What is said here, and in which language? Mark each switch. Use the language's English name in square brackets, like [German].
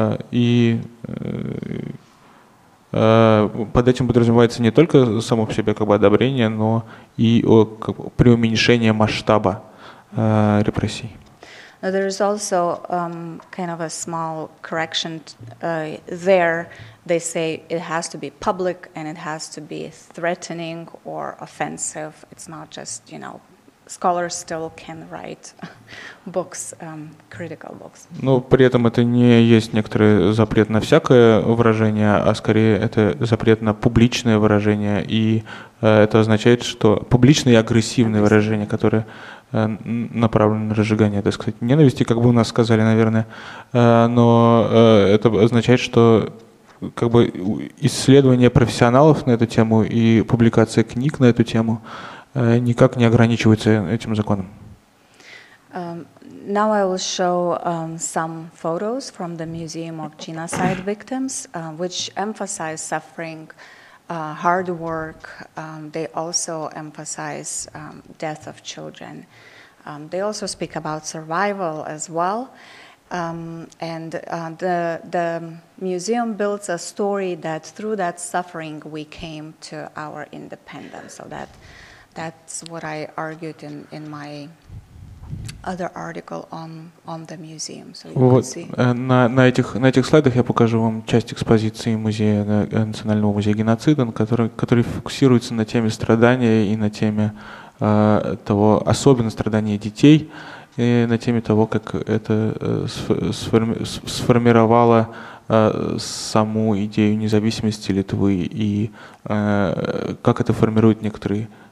[Russian] И под этим подразумевается не только само по себе как бы одобрение, но и преуменьшение масштаба репрессий. [English] There is also kind of a small correction there. They say it has to be public and it has to be threatening or offensive. It's not just, you know, scholars still can write books, critical books. [Russian] Но при этом это не есть некоторый запрет на всякое выражение, а скорее это запрет на публичное выражение. И это означает, что публичное и агрессивное выражение, которое направлено на разжигание, так сказать, ненависти, как бы у нас сказали, наверное. Но это означает, что как бы исследования профессионалов на эту тему и публикация книг на эту тему никак не ограничивается этим законом. [English] Now I will show some photos from the Museum of Genocide Victims, which emphasize suffering, hard work. They also emphasize death of children. They also speak about survival as well. And the museum builds a story that through that suffering we came to our independence. So that. That's what I argued in my other article on the museum. So you [Russian] вот, [English] can see. [Russian] На этих слайдах я покажу вам часть экспозиции музея, Национального музея геноцида, который фокусируется на теме страдания и на теме того, особенно страдания детей, и на теме того, как это сформировало саму идею независимости Литвы и как это формирует некоторые,